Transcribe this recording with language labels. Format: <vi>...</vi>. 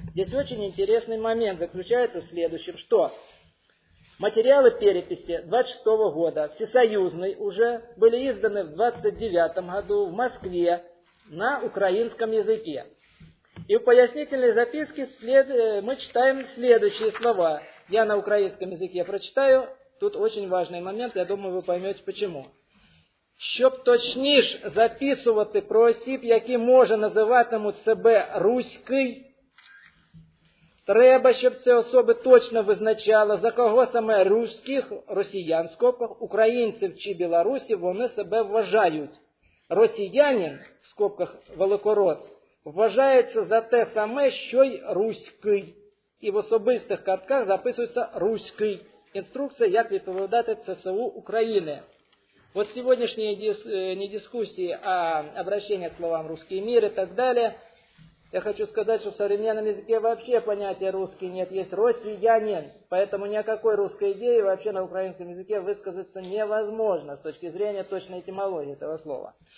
<ru>Здесь очень интересный момент заключается в следующем, что материалы переписи 26 года, всесоюзной уже, были изданы в 29 году в Москве на украинском языке. И в пояснительной записке мы читаем следующие слова. Я на украинском языке прочитаю, тут очень важный момент, я думаю, вы поймете почему.</ru> <uk>Щоб точніш записувати про осіб, які може називатимуть себе руський, треба, щоб ці особи точно визначали, за кого саме руських, росіянського, українців чи білорусів вони себе вважають. Росіянин,</uk> <ru>в скобках</ru> <uk>великорос, вважається за те саме, що й руський. І в особистих картках записується руський. Інструкція, як відповідати ЦСУ України.</uk> <ru>Вот сегодняшние не дискуссии, а обращение к словам «русский мир» и так далее. Я хочу сказать, что в современном языке вообще понятия «русский» нет. Есть «россиянин». Поэтому ни о какой русской идее вообще на украинском языке высказаться невозможно с точки зрения точной этимологии этого слова.</ru>